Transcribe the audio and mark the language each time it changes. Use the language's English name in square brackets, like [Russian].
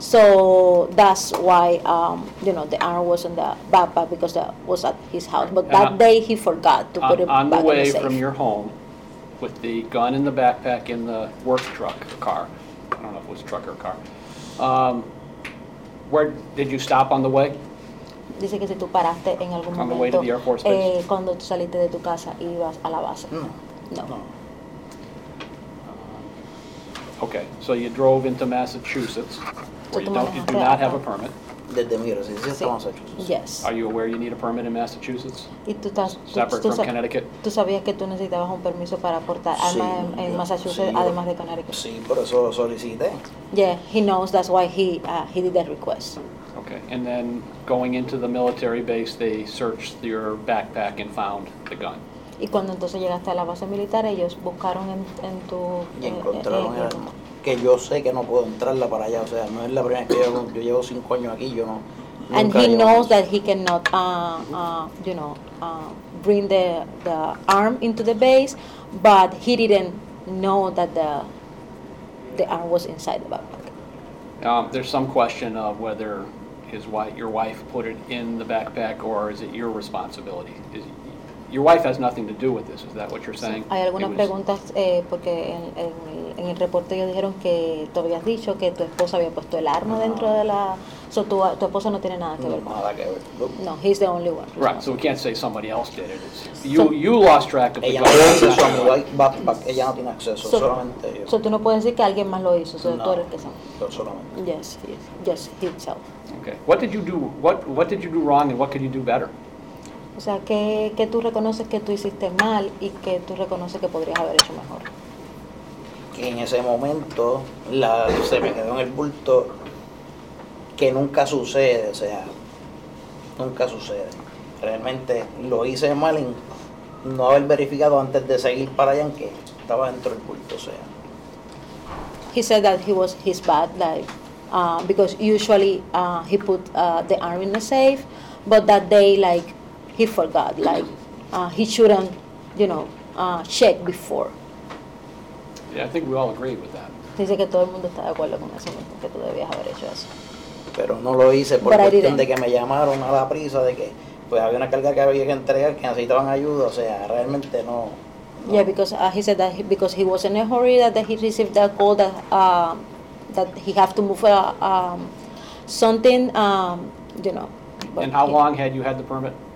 [English] So that's why, you know, the arm was in the backpack because that was at his house. But that day he forgot to put it back in the safe. On the way from your home with the gun in the backpack in the work truck car. I don't know if it was truck or car. Where did you stop on the way? [Spanish] Dice que si tú paraste en algún momento. [English] On the way to the Air Force Base. [Spanish] Cuando tú saliste de tu casa y ibas a la base. No. No. [English] Okay, so you drove into Massachusetts. You do not have a permit. [Spanish] Desde mi residencia en Massachusetts. [English] Yes. Are you aware you need a permit in Massachusetts? [Spanish] Y tú estás, [English] separate from Connecticut? [Spanish] ¿Tú sabías que tú necesitabas un permiso para portar armas en Massachusetts, sí, además de Connecticut? Sí, por eso lo solicité. [English] Yeah, he knows, that's why he did that request. Okay, and then going into the military base, they searched your backpack and found the gun. [Spanish] Y cuando entonces llegaste a la base militar, ellos buscaron en tu... Y encontraron el arma. Que yo sé que no puedo entrarla para allá, o sea, no es la primera vez que yo llevo 5 años aquí, yo no. [English] And he knows that he cannot, you know, bring the arm into the base, but he didn't know that the arm was inside the backpack. There's some question of whether your wife put it in the backpack or is it your responsibility? Your wife has nothing to do with this. Is that what you're saying? [Spanish] Hay algunas preguntas porque en el reporte ellos dijeron que tú habías dicho que tu esposa había puesto el arma dentro de la. So tu esposa no tiene nada que ver. Nada que ver. [English] No, he's the only one. Right. So we can't say somebody else did it. You lost track of the gun. [Spanish] Ella no tiene acceso a mi backpack. Ella no tiene acceso. Solamente yo. So tú no puedes decir que alguien más lo hizo. Solo tú eres que sabe. Solamente. [English] Yes. Yes. Himself. Okay. What did you do wrong and what could you do better? [Spanish] O sea, ¿qué tú reconoces que tú hiciste mal y que tú reconoces que podrías haber hecho mejor? Que en ese momento se me quedó en el bulto, que nunca sucede, o sea, nunca sucede. Realmente lo hice mal en no haber verificado antes de seguir para allá en que estaba dentro del bulto, o sea. [English] He said that he was his bad life, because usually he put the arm in the safe, but that day, like, he forgot, like, he shouldn't, you know, check before. Yeah, I think we all agree with that. [Spanish] Dice que todo el mundo está de acuerdo con eso, que tú debías haber hecho eso. Pero no lo hice por cuestión de que me llamaron a la prisa, de que pues había una carga que había que entregar, que necesitaban ayuda, o sea, realmente no. [English] Yeah, because he said that because he was in a hurry, that he received that call that that he have to move something, you know. But and how long had you had the permit?